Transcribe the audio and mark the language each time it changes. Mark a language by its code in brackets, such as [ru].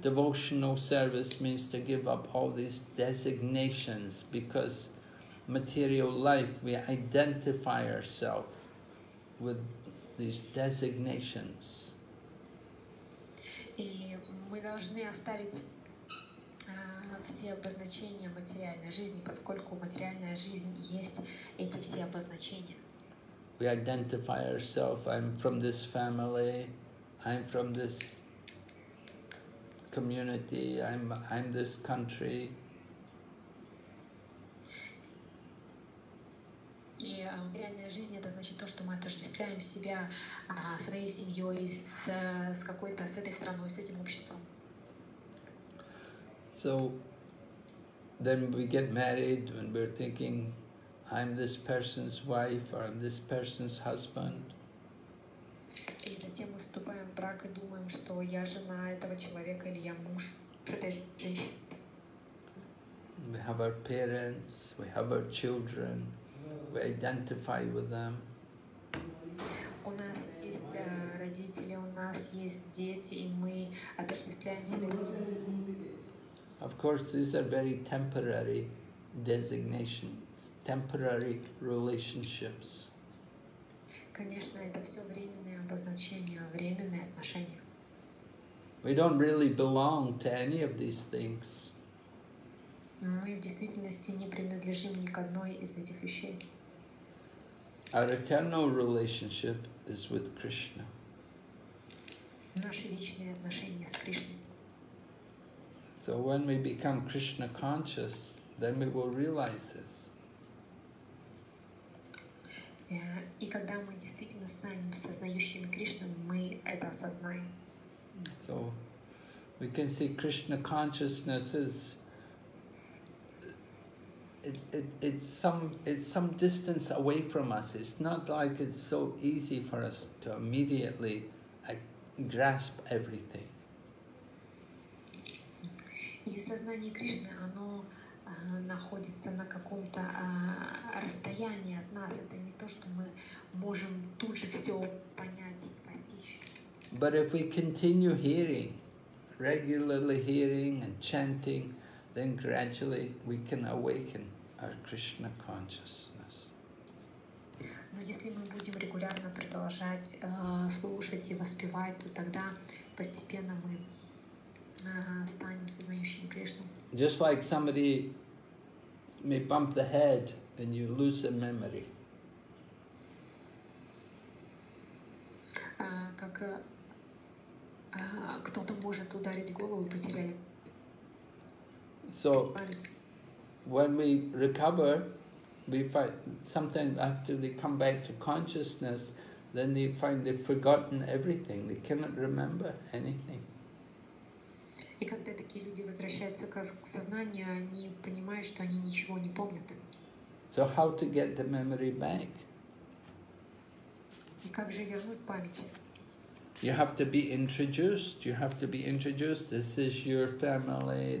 [en] Devotional service means to give up all these designations, because material life, we identify ourselves with these designations. [ru] И мы должны оставить все обозначения материальной жизни, поскольку материальная жизнь есть эти все обозначения. [en] We identify ourselves, I'm from this family, I'm from this community, I'm this country. [ru] И материальная жизнь — это значит то, что мы отождествляем себя своей семьей, с какой-то, с этой страной, с этим обществом. [en] So then we get married and we're thinking, I'm this person's wife or I'm this person's husband. [ru] И затем мы вступаем в брак и думаем, что я жена этого человека или я муж этой женщины. [en] We have our parents, we have our children. We identify with them. [ru] У нас есть родители, у нас есть дети, и мы отождествляемся с ними. [en] Of course, these are very temporary designations, temporary relationships. [ru] Конечно, это все временные обозначения, временные отношения. [en] We don't really belong to any of these things. [ru] Мы в действительности не принадлежим ни к одной из этих вещей. [en] Our eternal relationship is with Krishna. [ru] Наши личные отношения с Кришной. [en] So when we become Krishna conscious, then we will realize this. [ru] И когда мы действительно станем сознающими Кришну, мы это осознаем. [en] So we can see Krishna consciousness is it's some distance away from us. It's not like it's so easy for us to immediately grasp everything. [ru] И сознание Кришны, оно находится на каком-то расстоянии от нас. Это не то, что мы можем тут же все понять и постичь. [en] But if we continue hearing, regularly hearing and chanting, then gradually we can awaken our Krishna consciousness. [ru] Но если мы будем регулярно продолжать слушать и воспевать, то тогда постепенно мы станем сознающим Кришну. [en] Just like somebody may bump the head and you lose the memory. [ru] Как кто-то может ударить голову и потерять. [en] So when we recover, we find sometimes after they come back to consciousness, then they find they've forgotten everything. They cannot remember anything. [ru] И когда такие люди возвращаются к сознанию, они понимают, что они ничего не помнят. [en] So how to get the memory back? [ru] И как же вернуть память? [en] You have to be introduced. You have to be introduced. This is your family.